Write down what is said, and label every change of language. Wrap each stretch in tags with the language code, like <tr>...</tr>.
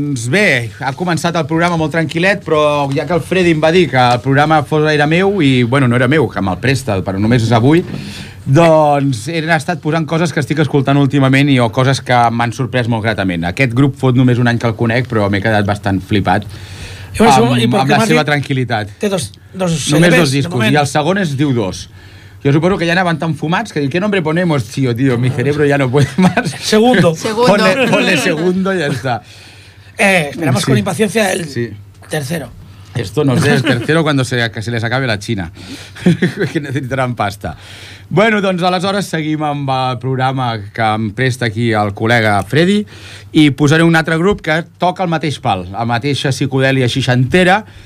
<ca>Bé, ha començat el programa molt tranquil·let, però ja que el Freddy em va dir que el programa fos era meu, i bueno, no era meu, que me'l presta, però només és avui, doncs he estat posant coses que estic escoltant últimament i o coses que m'han sorprès molt gratament. Aquest grup fot només un any que el conec, però m'he quedat bastant flipat amb la seva tranquil·litat. Té dos només dos discos, i el segon es diu Dos. Jo suposo que ja anaven tan fumats que dic,</ca> <es>¿qué nombre ponemos, tío, tío? Mi cerebro ya no puede más. Segundo. Ponle segundo y ya está. Esperamos con impaciencia el tercero. Esto no sé, el tercero cuando se les acabe la China. Que necesitarán pasta.</es> <ca>Bueno, doncs aleshores seguim amb el programa que em presta aquí el col·lega Freddy i posaré un altre grup que toca el mateix pal, la mateixa psicodèlia seixantera,</ca>